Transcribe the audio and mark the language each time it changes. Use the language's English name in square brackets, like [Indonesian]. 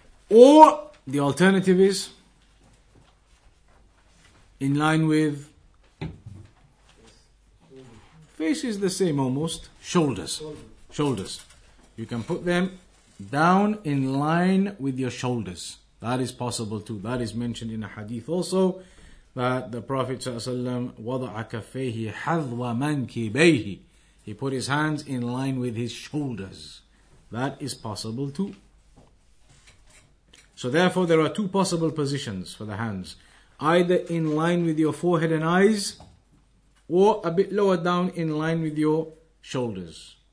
[English] Or the alternative is in line with, face is the same almost, shoulders. You can put them down in line with your shoulders. That is possible too. That is mentioned in a hadith also. That the Prophet ﷺ [Arabic] وَضَعَ كَفَّيْهِ حَظْوَ مَنْكِبَيْهِ. [English] He put his hands in line with his shoulders. That is possible too. So therefore there are two possible positions for the hands. Either in line with your forehead and eyes, or a bit lower down in line with your shoulders.